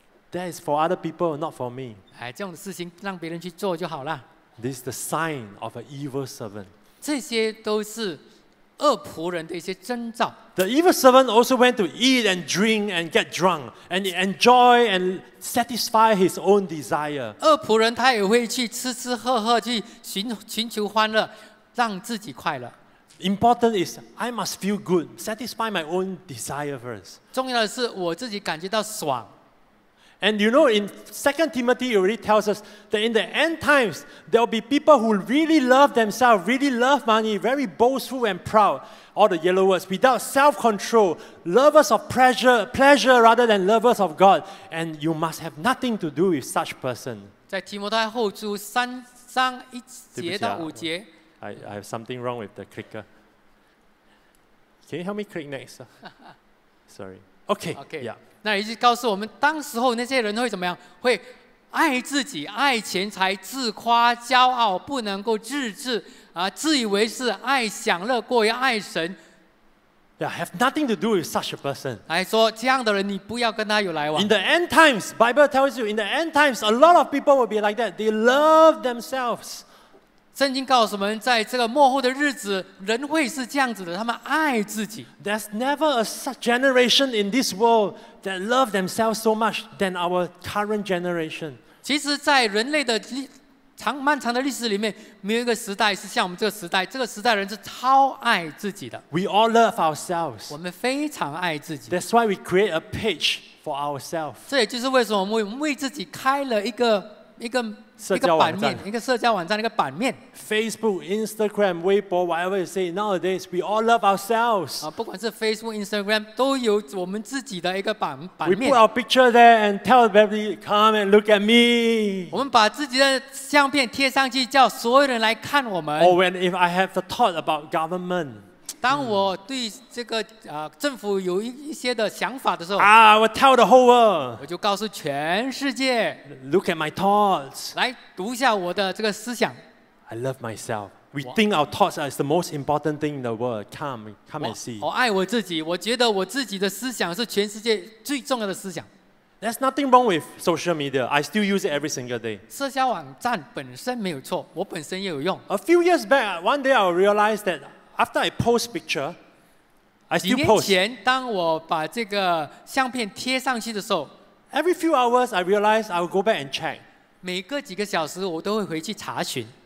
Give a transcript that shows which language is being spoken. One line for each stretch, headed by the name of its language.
English: That is for other people, not for me.
Chinese: 哎，这种事情让别人去做就好了。
English: This is the sign of an evil servant.
Chinese: 这些都是恶仆人的一些征兆。
English: The evil servant also went to eat and drink and get drunk and enjoy and satisfy his own desire.
Chinese: 恶仆人他也会去吃吃喝喝，去寻求欢乐，让自己快乐。
English: Important is I must feel good, satisfy my own desire first.
Chinese: 重要的是我自己感觉到爽。
English: And you know, in 2 Timothy, it already tells us that in the end times, there will be people who really love themselves, really love money, very boastful and proud. All the yellow words, without self-control, lovers of pleasure rather than lovers of God. And you must have nothing to do with such person.
Chinese: 在提摩太后书三章一节到五节。
English: I have something wrong with the clicker. Can you help me click next? Sorry. Okay. Okay. Yeah.
Chinese: 那也就告诉我们，当时候那些人会怎么样？会爱自己、爱钱财、自夸、骄傲，不能够自制啊，自以为是，爱享乐过于爱神。
English: Yeah, have nothing to do with such a person.
Chinese: 来说这样的人，你不要跟他有来往。
English: In the end times, Bible tells you, in the end times, a lot of people will be like that. They love themselves.
Chinese: 圣经告诉我们，在这个末后的日子，人会是这样子的，他们爱自己。
English: There's never a such generation in this world that love themselves so much than our current generation.
Chinese: 其实，在人类的漫长的历史里面，没有一个时代是像我们这个时代。这个时代人是超爱自己的。
English: We all love ourselves.
Chinese: 我们非常爱自己。
English: That's why we create a page for ourselves.
Chinese: 这也就是为什么我们为自己开了一个社交网站，一个社交网站的一个版面。
English: Facebook, Instagram, Weibo, whatever you say. Nowadays, we all love ourselves.
Chinese: 不管是 Facebook, Instagram, 都有我们自己的一个版面。
English: We put our picture there and tell everybody, come and look at me.
Chinese: 我们把自己的相片贴上去，叫所有人来看我们。
English: Or when if I have the thought about government.
Chinese: 当我对这个政府有一些的想法的时候，
English: I will tell the whole world.
Chinese: 我就告诉全世界。
English: Look at my thoughts.
Chinese: 来读一下我的这个思想。
English: I love myself. We think our thoughts are the most important thing in the world. Come and see.
Chinese: 我爱我自己，我觉得我自己的思想是全世界最重要的思想。
English: There's nothing wrong with social media. I still use it every single day.
Chinese: 社交网站本身没有错，我本身也有用。
English: A few years back, one day I realized that. after I post picture, I still post.
Chinese: 几年前，当我把这个相片贴上去的时候
English: ，Every few hours, I realize I will go back and check.
Chinese: 每隔几个小时，我都会回去查询。